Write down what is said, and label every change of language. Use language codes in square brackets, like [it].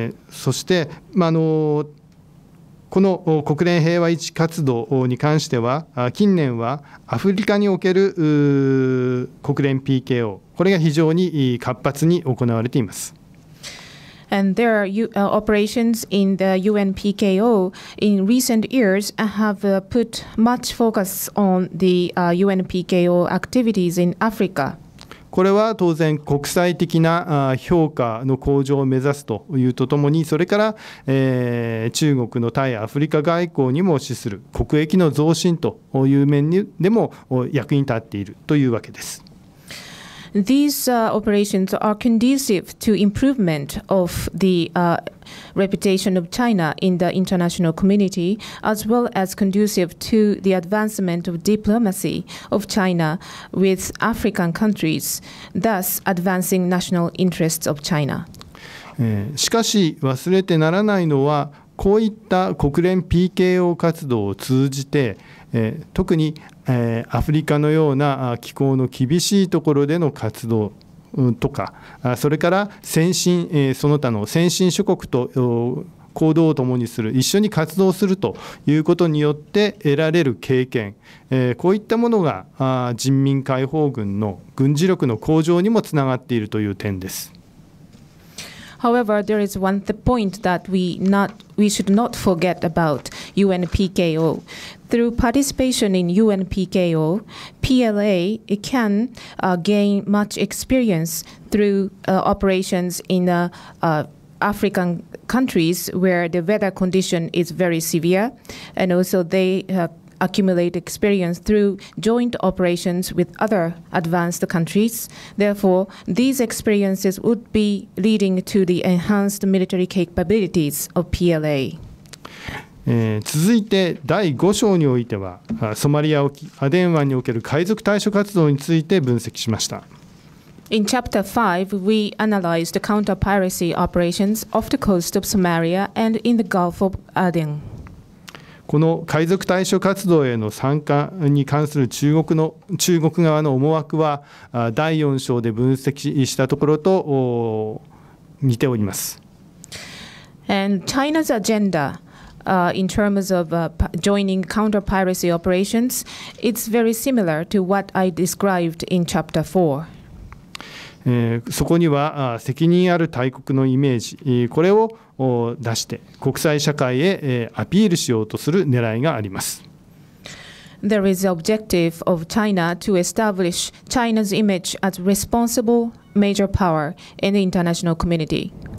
[ja] そして、この国連平和維持活動に関しては近年はアフリカにおける国連 PKO これが非常に活発に行われています。 [en] And there are operations in the UN PKO in recent years have put much focus on the UN PKO activities in Africa. [ja] これは当然国際的な評価の向上を目指すというとともに、それから中国の対アフリカ外交にも資する国益の増進という面でも役に立っているというわけです。 [en] These operations are conducive to improvement of the reputation of China in the international community, as well as conducive to the advancement of diplomacy of China with African countries, thus advancing national interests of China. [ja] しかし、忘れてならないのは、こういった国連 PKO 活動を通じて、特にアフリカのような気候の厳しいところでの活動とか、それから先進その他の先進諸国と行動を共にする、一緒に活動するということによって得られる経験、こういったものが人民解放軍の軍事力の向上にもつながっているという点です。 [en] However, there is one point that we should not forget about UNPKO. Through participation in UNPKO, PLA can gain much experience through operations in African countries where the weather condition is very severe, and also they accumulate experience through joint operations with other advanced countries. Therefore, these experiences would be leading to the enhanced military capabilities of PLA. [ja] 続いて第5章においてはソマリア沖アデン湾における海賊対処活動について分析しました。 [en] In chapter 5, we analyzed the counter-piracy operations off the coast of Somalia and in the Gulf of Aden. [ja] この海賊対処活動への参加に関する中国側の思惑は第4章で分析したところと似ております。 [en] And China's agenda in terms of joining counter-piracy operations, it's very similar to what I described in chapter 4. [ja] そこには責任ある大国のイメージ、これを出して国際社会へアピールしようとする狙いがあります。 [en] there is the objective of China to establish China's image as responsible major power in the international community.